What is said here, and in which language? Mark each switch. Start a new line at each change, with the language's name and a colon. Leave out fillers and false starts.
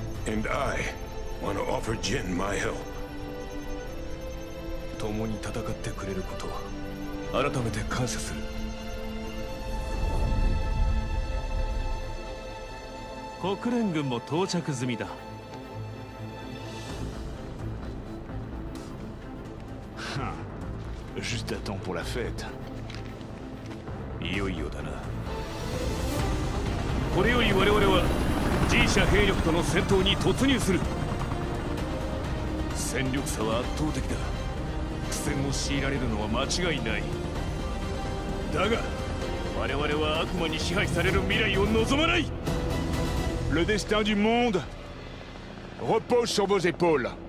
English: And I want to offer Jin my help.
Japanese: 共に戦ってくれることを改めて感謝する。国連軍も到着済みだ。
French: Juste à temps pour la fête.
English: Yo-yo, Dana.
Japanese: これより我々は G 社兵力との戦闘に突入する。戦力差は圧倒的だ。苦戦を強いられるのは間違いない。だが、我々は悪魔に支配される未来を望まない。
French: Le destin du monde repose sur vos épaules.